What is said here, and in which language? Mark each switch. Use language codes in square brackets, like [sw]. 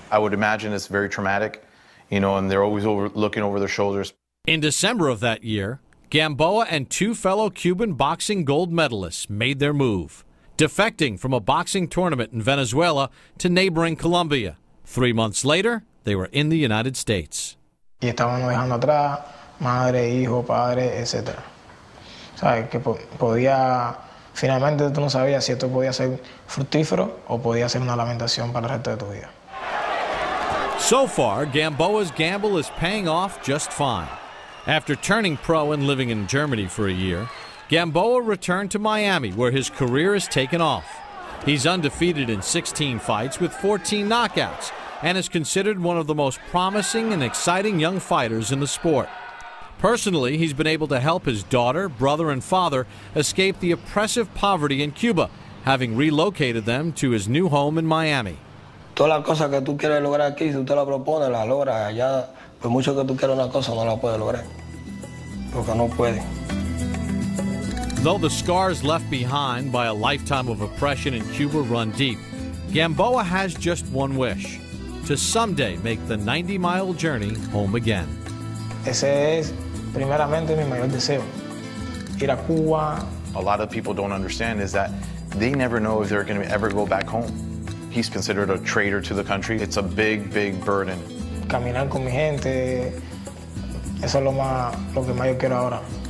[en] I would imagine it's very traumatic, and they're always looking over their shoulders. In December of that year, Gamboa and two fellow Cuban boxing gold medalists made their move, defecting from a boxing tournament in Venezuela to neighboring Colombia. 3 months later, they were in the United States. [es] Y estaban dejando atrás, madre, hijo, padre, etc. Que podía, finalmente tú no sabías si esto podía ser fructífero o podía ser una lamentación para el resto de tu vida. [en] So far, Gamboa's gamble is paying off just fine. After turning pro and living in Germany for a year, Gamboa returned to Miami, where his career has taken off. He's undefeated in 16 fights with 14 knockouts and is considered one of the most promising and exciting young fighters in the sport. Personally, he's been able to help his daughter, brother, and father escape the oppressive poverty in Cuba, having relocated them to his new home in Miami. [es] Todas las cosas que tú quieres lograr aquí, si usted la propone, la logra allá. Por mucho que tú quieras una cosa, no la puedes lograr, porque no puede. [en] Though the scars left behind by a lifetime of oppression in Cuba run deep, Gamboa has just one wish: to someday make the 90-mile journey home again. [es] Ese es primeramente mi mayor deseo: ir a Cuba. [en] A lot of people don't understand is that they never know if they're going to ever go back home. He's considered a traitor to the country. It's a big, big burden. [es] Caminar con mi gente, eso es lo que más yo quiero ahora.